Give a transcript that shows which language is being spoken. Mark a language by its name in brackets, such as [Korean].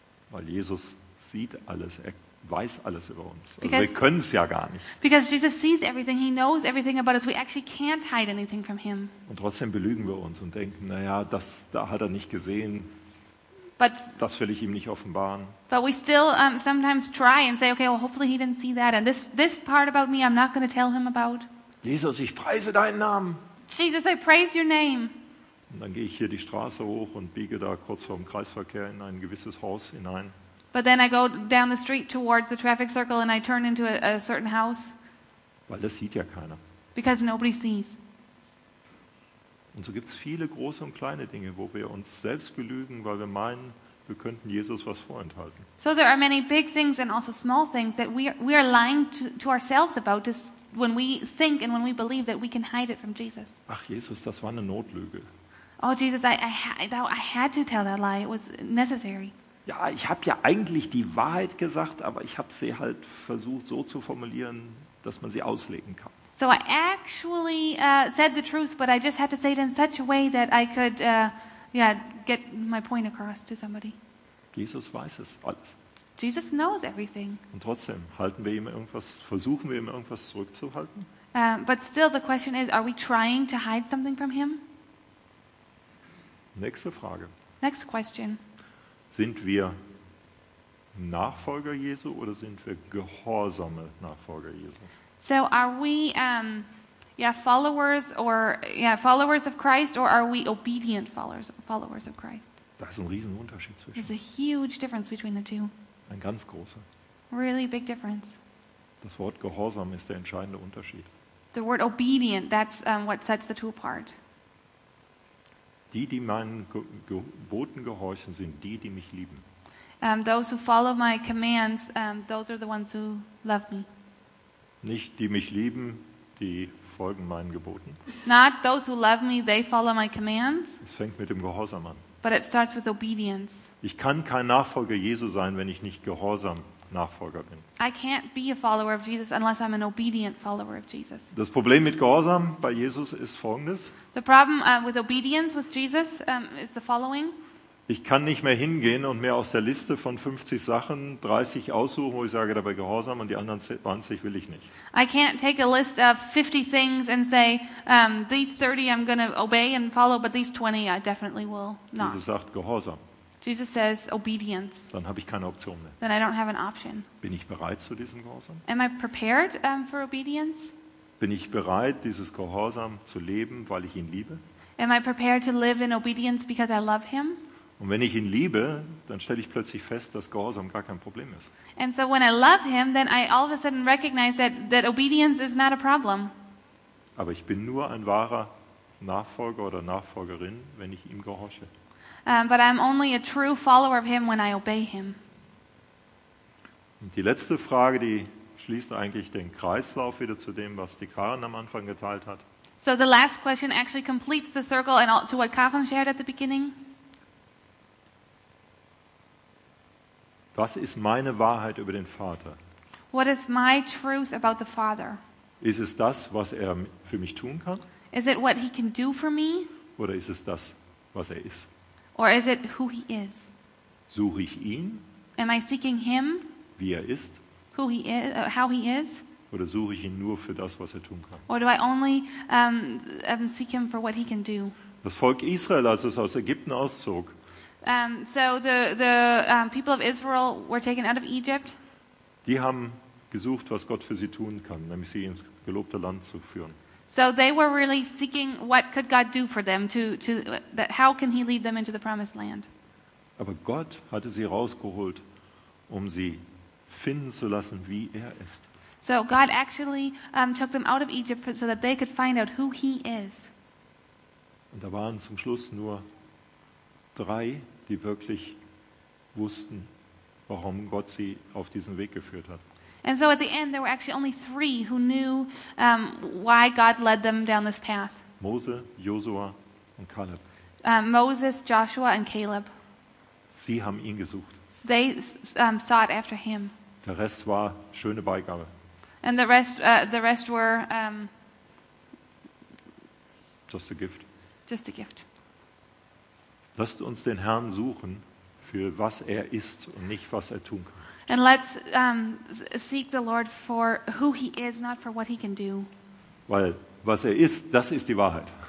[German] Weil Jesus sieht alles, er weiß alles über uns. Also wir können es ja gar nicht. [English] Because Jesus sees everything, he knows everything about us. We actually can't hide anything from him. [German] Und trotzdem belügen wir uns und denken, naja, das da hat er nicht gesehen. Das will ich ihm nicht offenbaren. [English] But we still sometimes try and say, okay, well, hopefully he didn't see that. And this part about me, I'm not going to tell him about. [German] Jesus, ich preise deinen Namen. [English] Jesus, I praise your name. [German] Und dann gehe ich hier die Straße hoch und biege da kurz vor dem Kreisverkehr in ein gewisses Haus hinein. [English] But then I go down the street towards the traffic circle and I turn into a certain house. [German] Weil das sieht ja keiner. [English] Because nobody sees. [German] Und so gibt es viele große und kleine Dinge, wo wir uns selbst belügen, weil wir meinen, wir könnten Jesus was vorenthalten. [English] So there are many big things and also small things that we are lying to ourselves about this, when we think and when we believe that we can hide it from Jesus. [German] Ach Jesus, das war eine Notlüge. [English] Oh Jesus, I had to tell that lie. It was necessary. [German] Ja, ich habe ja eigentlich die Wahrheit gesagt, aber ich habe sie halt versucht so zu formulieren, dass man sie auslegen kann. [English] So I actually said the truth, but I just had to say it in such a way that I could get my point across to somebody. [German] Jesus weiß es alles. [English] Jesus knows everything. [German] Und trotzdem halten wir ihm irgendwas, versuchen wir ihm irgendwas zurückzuhalten? [English] But still the question is, are we trying to hide something from him? [German] Nächste Frage. [English] Next question. [German] Sind wir Nachfolger Jesu oder sind wir gehorsame Nachfolger Jesu? [English] So are we followers of Christ or are we obedient followers of Christ? [German] Das ist ein riesen Unterschied zwischen. [English] There's a huge difference between the two. [German] Ein ganz großer. [English] Really big difference. [German] Das Wort Gehorsam ist der entscheidende Unterschied. [English] The word obedient, that's what sets the two apart. [German] Die, die meinen Geboten gehorchen, sind die, die mich lieben. [English] Those who follow my commands, those are the ones who love me. [German] Nicht die mich lieben, die folgen meinen Geboten. [English] Not those who love me, they follow my commands. [German] Es fängt mit dem Gehorsam an. [English] But it starts with obedience. [German] Ich kann kein Nachfolger Jesu sein, wenn ich nicht gehorsam Nachfolger bin. [English] I can't be a follower of Jesus unless I'm an obedient follower of Jesus. [German] Das Problem mit Gehorsam bei Jesus ist folgendes. [English] The problem with obedience with Jesus is the following. [German] Ich kann nicht mehr hingehen und mir aus der Liste von 50 Sachen 30 aussuchen, wo ich sage, dabei gehorsam und die anderen 20 will ich nicht. [English] I can't take a list of 50 things and say these 30 I'm going to obey and follow, but these 20 I definitely will not. [German] Jesus sagt Gehorsam. [English] Jesus says obedience. [German] Dann habe ich keine Option mehr. [English] Then I don't have an option. [German] Bin ich bereit zu diesem Gehorsam? [English] Am I prepared for obedience? [German] Bin ich bereit, dieses Gehorsam zu leben, weil ich ihn liebe? [English] Am I prepared to live in obedience because I love him? [German] Und wenn ich ihn liebe, dann stelle ich plötzlich fest, dass Gehorsam gar kein Problem ist. [English] And so when I love him, then I all of a sudden recognize that obedience is not a problem. [German] Aber ich bin nur ein wahrer Nachfolger oder Nachfolgerin, wenn ich ihm gehorche. [English] But I'm only a true follower of him when I obey him. [German] Und die letzte Frage, die schließt eigentlich den Kreislauf wieder zu dem, was die Karin am Anfang geteilt hat. [English] So the last question actually completes the circle and to what Karin shared at the beginning. [German] Was ist meine Wahrheit über den Vater? [English] What is my truth about the Father? [German] Ist es das, was er für mich tun kann? [English] Is it what he can do for me? [German] Oder ist es das, was er ist? [English] Or is it who he is? [German] Suche ich ihn? [English] Am I seeking him? [German] Wie er ist? [English] Who he is, how he is? [German] Oder suche ich ihn nur für das, was er tun kann? [English] Or do I only seek him for what he can do? [German] Das Volk Israel, als es aus Ägypten auszog. [English] So the people of Israel were taken out of Egypt. [German] Die haben gesucht, was Gott für sie tun kann, nämlich sie ins gelobte Land zu führen. [English] So they were really seeking what could God do for them how can he lead them into the promised land. [German] Aber Gott hatte sie rausgeholt, um sie finden zu lassen, wie er ist. [English] So God actually took them out of Egypt so that they could find out who he is. [German] Und da waren zum Schluss nur 3, die wirklich wussten, warum Gott sie auf diesen Weg geführt hat. [English] And so at the end there were actually only 3 who knew why God led them down this path. [German] Mose, Josua und Caleb. [English] Moses, Joshua and Caleb. [German] Sie haben ihn gesucht. [English] They sought after him. [German] Der Rest war schöne Beigabe. [English] And the rest were just a gift. Just a gift. [German] Lasst uns den Herrn suchen für was er ist und nicht was er tun kann. [English] And let's seek the Lord for who he is, not for what he can do. [German] Weil was er ist, das ist die Wahrheit.